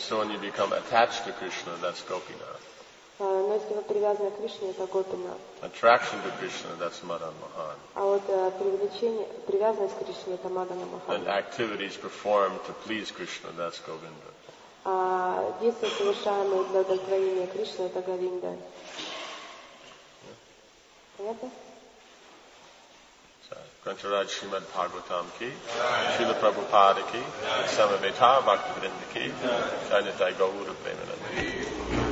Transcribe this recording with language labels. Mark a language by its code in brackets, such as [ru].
[en] So when you become attached to Krishna, that's gopina. [ru] Но если вы привязаны к Кришне, это гопина. [en] Attraction to Krishna, that's madan mahan. [ru] А вот привязанность к Кришне — это мадана махан. [en] And activities performed to please Krishna, that's govinda. [ru] А действия, совершаемые для удовлетворения Кришны, — это говинда. Понятно? Кончарад Шримад Бхагаватам ки, Шрила Прабхупада ки, Самавета Бхактивиданда ки, Чайнитай Гаура Премина.